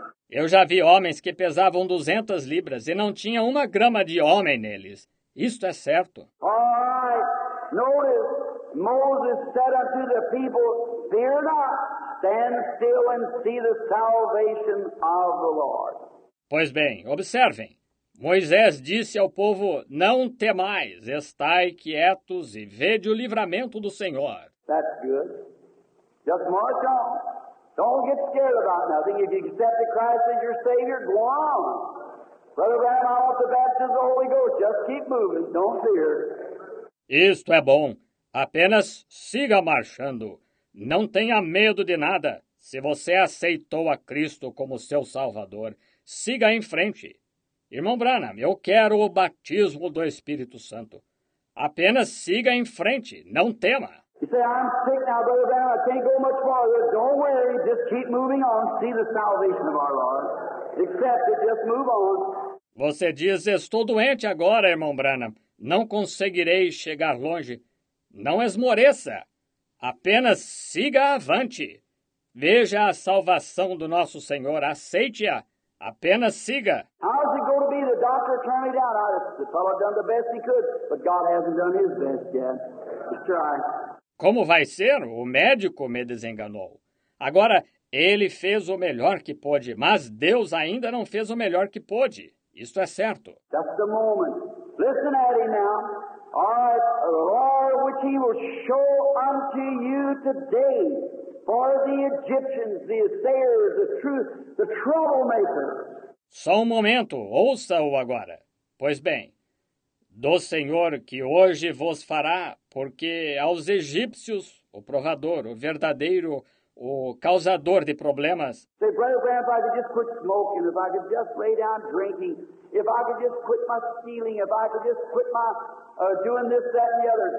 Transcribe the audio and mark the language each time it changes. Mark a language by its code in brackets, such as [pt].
[pt] Eu já vi homens que pesavam 200 libras e não tinha uma grama de homem neles. Isto é certo. [en] All right. Notice, Moses said unto the people, fear not. Stand still and see the salvation of the Lord. [pt] Pois bem, observem. Moisés disse ao povo, não temais, estai quietos e vede o livramento do Senhor. [en] That's good. Just march on. Don't get scared about nothing. If you accept Christ as your Savior, go on. Brother Graham, I want the baptism of the Holy Ghost. Just keep moving. Don't fear. [pt] Isto é bom. Apenas siga marchando. Não tenha medo de nada. Se você aceitou a Cristo como seu Salvador, siga em frente. Irmão Branham, eu quero o batismo do Espírito Santo. Apenas siga em frente, não tema. [en] You say, I'm sick now, Brother Branham, I can't go much farther. Don't worry, just keep moving on, see the salvation of our Lord. Accept it, just move on. [pt] Você diz, estou doente agora, irmão Branham. Não conseguirei chegar longe. Não esmoreça. Apenas siga avante. Veja a salvação do nosso Senhor. Aceite-a. Apenas siga. [en] How's it going to be? The doctor turned me down. The fellow done the best he could, but God hasn't done his best yet. Just try. [pt] Como vai ser? O médico me desenganou. Agora, ele fez o melhor que pôde, mas Deus ainda não fez o melhor que pôde. Isto é certo. [en] That's the moment. Listen at him now. All right, Lord, which he will show unto you today. For the Egyptians, the assayers, the truth, the troublemakers. [pt] Só um momento, ouça-o agora. Pois bem, do Senhor que hoje vos fará, porque aos egípcios, o provador, o verdadeiro, o causador de problemas. [en] Say, Brother Branham, if I could just quit smoking, if I could just lay down drinking, if I could just quit my stealing, if I could just quit my doing this, that, and the other.